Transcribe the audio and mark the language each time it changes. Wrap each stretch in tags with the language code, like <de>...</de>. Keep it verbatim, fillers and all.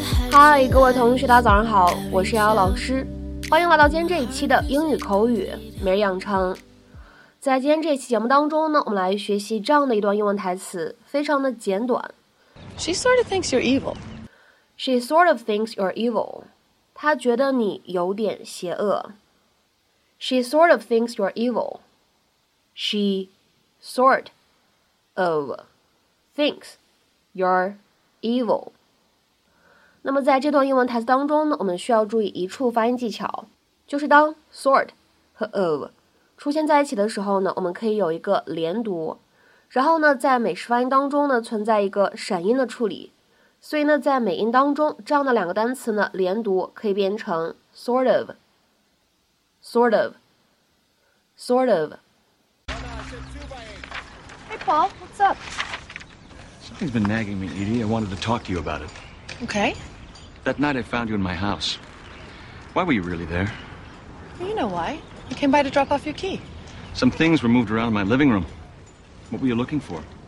<zh>嗨，各位同学，大家早上好，我是瑶瑶老师，欢迎来到今天这一期的英语口语每日养成。在今天这一期节目当中呢，我们来学习这样的一段英文台词，非常的简短。</zh> <en>She sort of thinks you're evil. She sort of thinks you're evil.</en> <zh>她觉得你有点邪恶。</zh> <en>She sort of thinks you're evil. She sort of thinks you're evil.</en> <zh>那么在这段英文台词当中呢，我们需要注意一处发音技巧，就是当 sort 和 of 出现在一起的时候呢，我们可以有一个连读，然后呢，在美式发音当中呢，存在一个闪音的处理，所以呢，在美音当中，这样的两个单词呢，连读可以变成 sort of, sort of, sort of.</zh> <en>Hey Paul, what's up? Something's been nagging me, Edie. I wanted to talk to you about it. Okay. That night I found you in my house. Why were you really there? Well, you know why. You came by to drop off your key. Some things were moved around in my living room. What were you looking for?</en>